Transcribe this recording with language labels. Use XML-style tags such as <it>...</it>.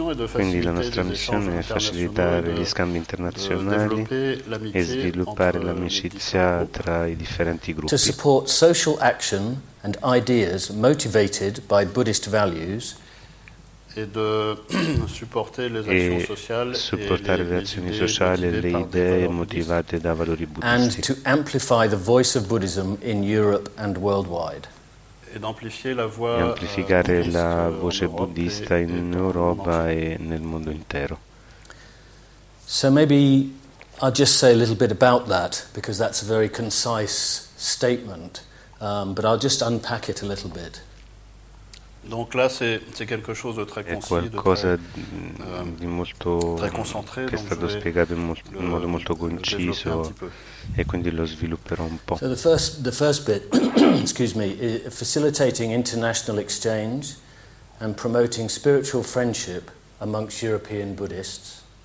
<it>Quindi la nostra missione è facilitare gli scambi internazionali e sviluppare l'amicizia tra i differenti gruppi.</it> <en>To support social action and ideas motivated by Buddhist values.</en> <it>E supportare le azioni sociali e le idee motivate da valori buddhisti.</it> <en>And to amplify the voice of Buddhism in Europe and worldwide.</en> <it>E amplificare la voce buddista in Europa e nel mondo intero.</it> <en>So maybe I'll just say a little bit about that, because that's a very concise statement, but I'll just unpack it a little bit.</en> <fr>Donc là c'est quelque chose de très concis,</fr> <it>è qualcosa di molto che è stato spiegato in modo molto conciso, e quindi lo svilupperò un po'.</it> <en>So the first bit, excuse me, is facilitating international exchange and promoting spiritual friendship amongst European Buddhists.</en>